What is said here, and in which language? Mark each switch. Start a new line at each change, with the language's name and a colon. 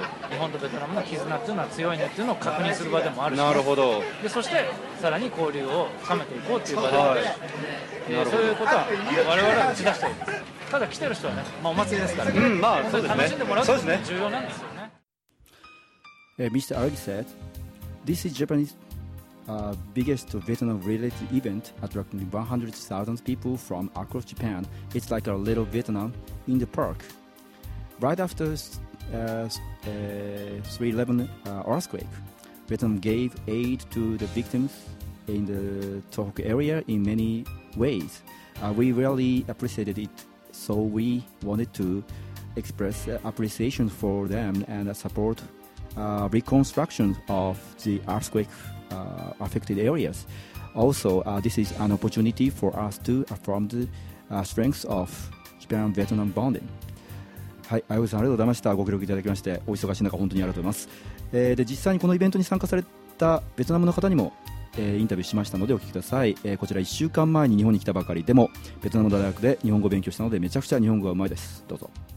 Japanese: 日本とベトナムの絆っていうのは強いねっていうのを確認する場でもあるし、なるほど、でそしてさらに交流を深めていこうっていう場でもあるし、はい、そういうことは我々は打ち出しております。ただ来てる人はね、まあ、お祭りですから、うん、まあそうですね、楽しんでもらうことも重要なんですよ。
English: Mr. Aragi said, this is Japan's biggest Vietnam-related event, attracting 100,000 people from across Japan. It's like a little Vietnam in the park. Right after the 311 earthquake, Vietnam gave aid to the victims in the Tohoku area in many ways. We really appreciated it, so we wanted to express appreciation for them and support reconstruction of the earthquake affected areas. Also, this is an opportunity for us to affirm the strengths of Japan-Vietnam bonding.
Japanese: はい、ありがとうございました。ご協力いただきまして、お忙しい中本当にありがとうございます。で実際にこのイベントに参加されたベトナムの方にも、インタビューしましたのでお聞きください。こちら1週間前に日本に来たばかりでも、ベトナム大学で日本語を勉強したのでめちゃくちゃ日本語がうまいです。どうぞ。